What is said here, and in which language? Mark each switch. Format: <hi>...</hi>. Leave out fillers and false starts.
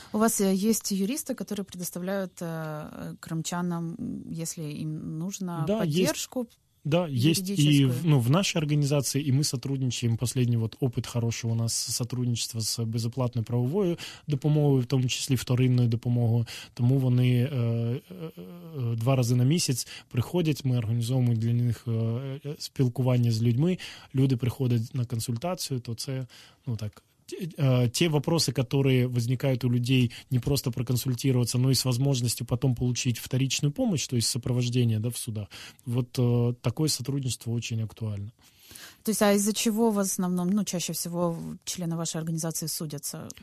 <ru>У вас есть юристы, которые предоставляют крымчанам, если им нужно, да, поддержку? Да, есть и, ну, в нашей организации, и мы сотрудничаем. Последний вот опыт хороший у нас сотрудничество с безоплатной правовой допомогой, в том числе вторинную допомогу.</ru> <uk>Тому вони два рази на місяць приходять, ми організовуємо для них спілкування з людьми. Люди приходять на консультацію, то це, ну, так.</uk> <ru>Те вопросы, которые возникают у людей, не просто проконсультироваться, но и с возможностью потом получить вторичную помощь, то есть сопровождение, да, в судах, вот такое сотрудничество очень актуально. То есть, а из-за чего в основном, ну, чаще всего члены вашей организации судятся?</ru>